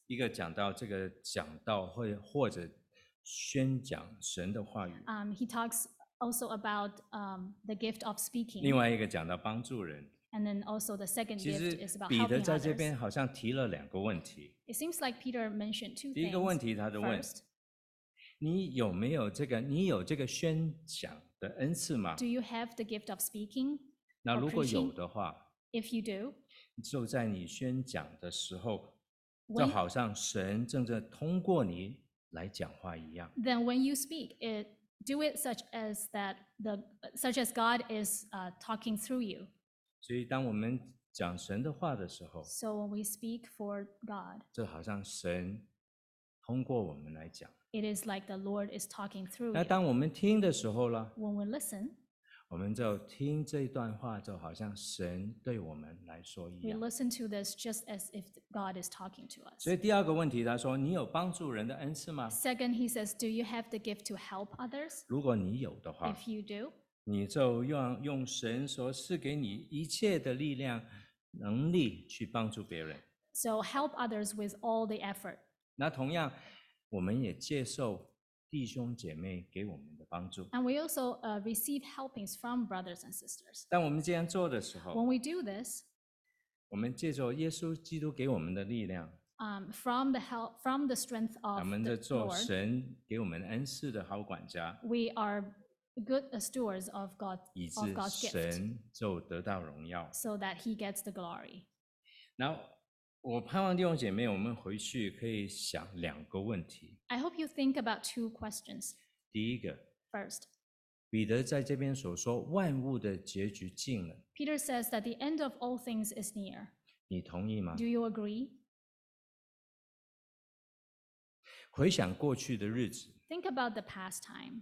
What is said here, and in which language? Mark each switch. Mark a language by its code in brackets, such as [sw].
[zh] 一个讲到这个讲道或者宣讲神的话语。 [en] He talks. Also about the gift of speaking. [zh] 另外一个讲到帮助人。 [en] And then also the second gift is about helping others. [zh] 彼得在这边好像提了两个问题。 [en] It seems like Peter mentioned two things. [zh] 第一个问题他就问。你有没有这个你有这个宣讲的恩赐吗 [en] Do you have the gift of speaking? [zh] 那如果有的话。 [en] If you do. [zh] 就在你宣讲的时候就好像神正在通过你来讲话一样。 [en] Then when you speak, itDo it such as that the such as God is talking through you. [zh] 所以当我们讲神的话的时候 [en] ，So when we speak for God, [zh] 就好像神通过我们来讲。 [en] It is like the Lord is talking through. [zh] 那当我们听的时候呢 [en] ？When we listen, [zh] 我们就听这段话，就好像神对我们来说一样。 [en] We listen to this just as if God is talking to us. [zh] 所以第二个问题，他说：“你有帮助人的恩赐吗 [en] ？”Second, he says, "Do you have the gift to help others?" [zh] 如果你有的话 [en] ，If you do, [zh] 你就用神所赐给你一切的力量、能力去帮助别人。 [en] So help others with all the effort. [zh] 那同样，我们也接受弟兄姐妹给我们的帮助。 [en] And we also receive helpings from brothers and sisters. [zh] 当我们这样做的时候 [en] ，When we do this, [zh] 我们借助耶稣基督给我们的力量。 [en] From the strength of the Lord, [zh] 我们在做神给我们恩赐的好管家。 [en] We are good stewards of God's gift. [zh] 以致神就得到荣耀。 [en] So that He gets the glory. [zh] 然后。我盼望弟兄姐妹，我们回去可以想两个问题。 [en] I hope you think about two questions. [zh] 第一个 [en] ，First， [zh] 彼得在这边所说，万物的结局近了。 [en] Peter says that the end of all things is near. [zh] 你同意吗 [en] ？Do you agree？ [zh] 回想过去的日子 [en] ，Think about the past time.